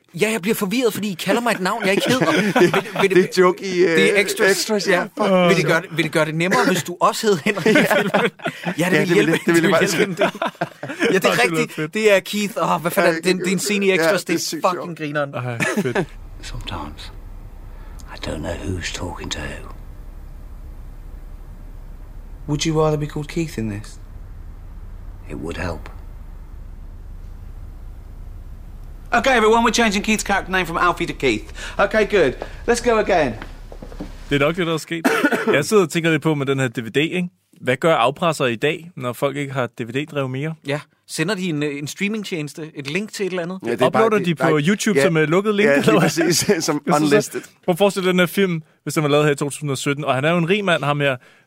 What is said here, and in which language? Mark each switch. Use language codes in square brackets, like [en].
[da] Ja, jeg bliver forvirret, fordi I kalder mig et navn, jeg ikke hedder. Det er joke i... Det er extras, ja. Vil det gøre det nemmere, hvis du også hed Henrik? Ja, det vil hjælpe. Ja, det er rigtigt. Det er Keith. Hvad fanden er det? Det er en scene i extras. Det er fucking grineren. [en] Sometimes, I don't know who's talking to who. Would you rather be called Keith in this? It would help. Okay, everyone, we're changing Keith's character name from Alfie to Keith. Okay, good. Let's go again. [da] Det er nok det, der er sket. Jeg sidder og tænker lidt på med den her DVD, ikke? Hvad gør afpressere i dag, når folk ikke har DVD-drev mere? Ja, sender de en streamingtjeneste, et link til et eller andet? Ja, det uploader bare, det, de på nej, YouTube som lukket link? Ja, lige præcis, som unlisted. Prøv at forestille den her film, hvis den var lavet her i 2017, og han er jo en rig mand, ham her.